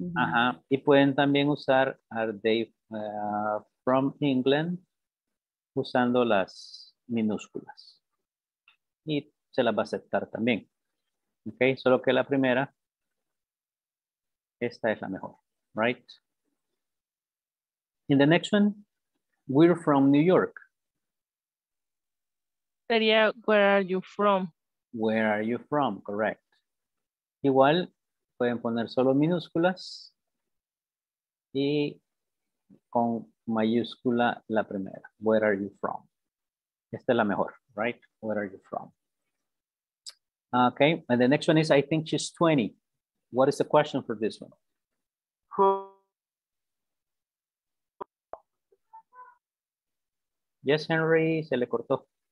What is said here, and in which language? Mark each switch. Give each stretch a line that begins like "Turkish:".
Spanish: Ajá. Y pueden también usar
English: are they from England
Spanish: usando las minúsculas. Y se las va a aceptar también. Ok, solo que la primera, esta es la mejor, right?
English: In the next one, we're from New York.
Spanish: Sería,
English: where are you from? Where are you from, correct.
Spanish: Igual, pueden poner solo minúsculas y con mayúscula la primera.
English: Where are you from?
Spanish: Esta es la mejor,
English: right? Where are you from? Okay, and the next one is I think she's 20. What is the question for this one? Who? Yes,
Spanish: Henry, se le cortó.